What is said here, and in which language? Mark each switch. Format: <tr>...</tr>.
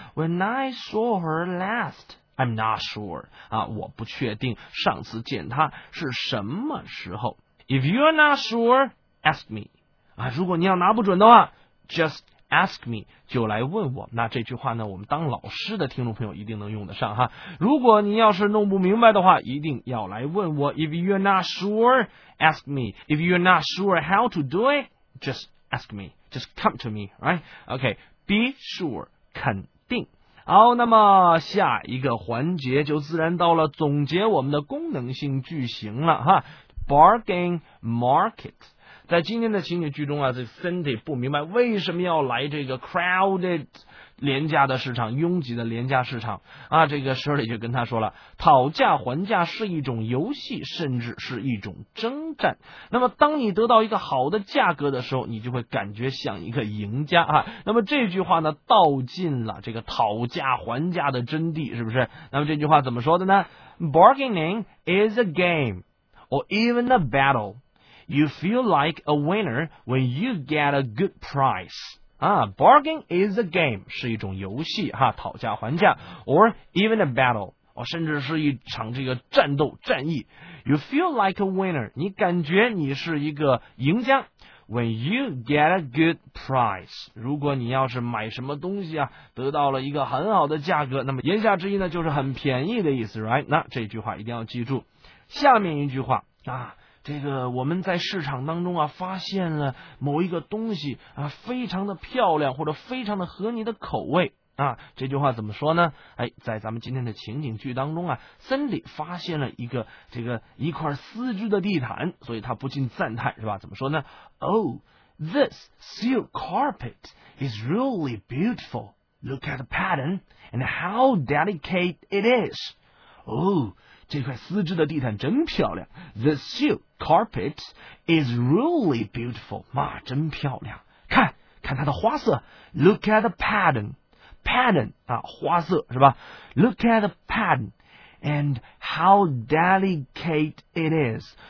<en>When I saw her last, I'm not sure.</en> <zh>啊，我不确定上次见她是什么时候。</zh> <en>If you're not sure, ask me.</en> <zh>啊，如果你要拿不准的话，</zh> <en>just ask me,</en> <zh>就来问我。那这句话呢，我们当老师的听众朋友一定能用得上哈。如果你要是弄不明白的话，一定要来问我。</zh> <en>If you're not sure, ask me. If you're not sure how to do it, just ask me. Just come to me, right? Okay, be sure,</en> <zh>肯定。好，那么下一个环节就自然到了总结我们的功能性句型了哈。</zh> <en>Bargain market，</en> <zh>在今天的情景剧中啊，这 Cindy 不明白为什么要来这个 crowded 廉价的市场，拥挤的廉价市场啊。这个 Shirley 就跟他说了，讨价还价是一种游戏，甚至是一种征战。那么当你得到一个好的价格的时候，你就会感觉像一个赢家啊。那么这句话呢，道尽了这个讨价还价的真谛，是不是？那么这句话怎么说的呢？</zh> <en>Bargaining is a game or even a battle. You feel like a winner when you get a good price. Bargain is a game,</en> <zh>是一种游戏哈，讨价还价。</zh> <en>Or even a battle,</en> <zh>甚至是一场这个战斗战役。</zh> <en>You feel like a winner,</en> <zh>你感觉你是一个赢家。</zh> <en>When you get a good price,</en> <zh>如果你要是买什么东西啊，得到了一个很好的价格，那么言下之意呢，就是很便宜的意思 ,</zh> <en>right?</en> <zh>那这句话一定要记住。下面一句话啊，这个我们在市场当中啊，发现了某一个东西啊，非常的漂亮，或者非常的合你的口味啊。这句话怎么说呢？哎，在咱们今天的情景剧当中啊，森里发现了一个这个一块丝质的地毯，所以他不禁赞叹，是吧？怎么说呢</zh> <en>？Oh, this silk carpet is really beautiful. Look at the pattern and how delicate it is. Oh.</en> <zh>这块丝质的地毯真漂亮。</zh> <en>The silk carpet is really beautiful.</en> <zh>妈，真漂亮。看，看它的花色。</zh> <en>Look at the pattern. Pattern,</en> <zh>啊，花色，是吧？</zh> <en>Look at the pattern. And how delicate it is.</en>